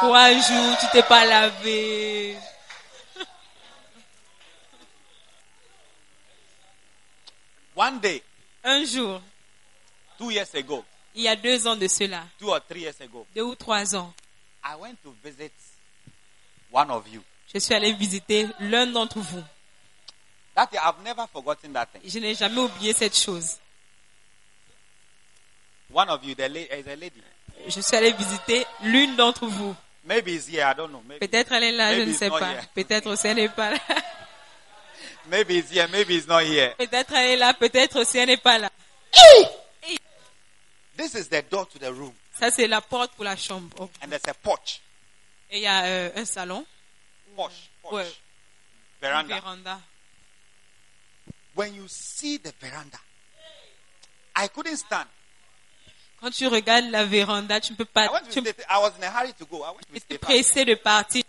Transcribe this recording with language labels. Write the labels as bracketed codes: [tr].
[fr] 3 jours, tu ne t'es pas lavé. [en] One day, [fr] un jour, [en] 2 years ago, [fr] il y a 2 ans de cela, [en] 2 or 3 years ago, [fr] 2 ou 3 ans, [en] I went to visit one of you. [fr] Je suis allé visiter l'un d'entre vous. [en] That I've never forgotten that thing. [fr] Je n'ai jamais oublié cette chose. [en] One of you, is a lady. [fr] Je suis allé visiter l'une d'entre vous. [en] Maybe it's here, I don't know. Maybe. [fr] Peut-être elle est là, je ne sais pas. [en] Here. [fr] Peut-être elle n'est pas là. [en] Maybe it's here, maybe it's not here. [fr] Peut-être elle est là, peut-être si elle n'est pas là. Hey! [en] This is the door to the room. [fr] Ça, c'est la porte pour la chambre. [en] Okay. And there's a porch. [fr] Et il y a un salon. [en] Porch. Ouais. Veranda. Veranda. When you see the veranda, I couldn't stand. [fr] Quand tu regardes la veranda, tu ne peux pas... [en] I was in a hurry to go. [fr] J'étais pressé de partir.